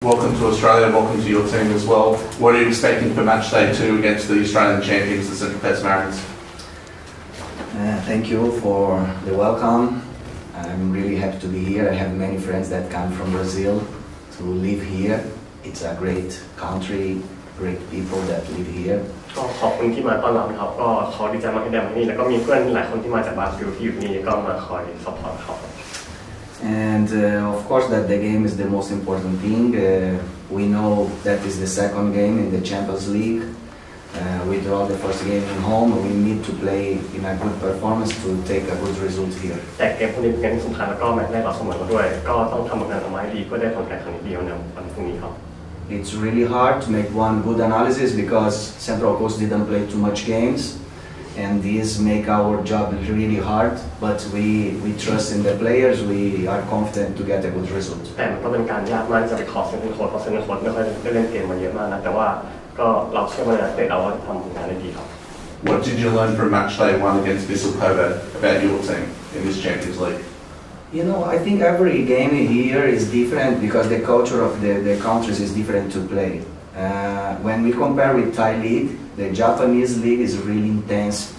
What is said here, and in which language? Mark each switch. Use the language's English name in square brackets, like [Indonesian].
[English] Welcome to Australia, welcome to your team as well. What are you expecting for match day two against the Australian champions, the Central Coast Mariners? Thank you for the welcome. I'm really happy to be here. I have many friends that come from Brazil to live here. It's a great country, great people that live here. [Thai] ขอบคุณที่มาต้อนรับครับก็ขอดีใจมากที่ได้มานี่แล้วก็มีเพื่อนหลายคนที่มาจากบราซิลที่อยู่นี่ก็มาคอยซัพพอร์ตครับ [English] And of course that the game is the most important thing. We know that is the second game in the Champions League. We draw the first game at home. We need to play in a good performance to take a good result here. [Thai] แต่เกมพวกนี้เป็นเกมที่สำคัญแล้วก็แมตช์แรกเราเสมอมาด้วยก็ต้องทำผลงานออกมาให้ดีเพื่อได้ผลการแข่งขันที่ดีในวันพรุ่งนี้ครับ [English] It's really hard to make one good analysis because Central Coast didn't play too much games, and this make our job really hard. But we trust in the players. We are confident to get a good result. [Thai] แต่มันก็เป็นการยากมากจะไปขอเซ็นเตอร์โค้ดไม่ค่อยได้เล่นเกมมาเยอะมากนะแต่ว่าก็เราเชื่อว่าเราจะทำผลงานได้ดีครับ [English] What did you learn from match day one against Vissel Kobe about your team in this Champions League? You know, I think every game here is different because the culture of the countries is different to play. When we compare with Thai league, the Japanese league is really intense.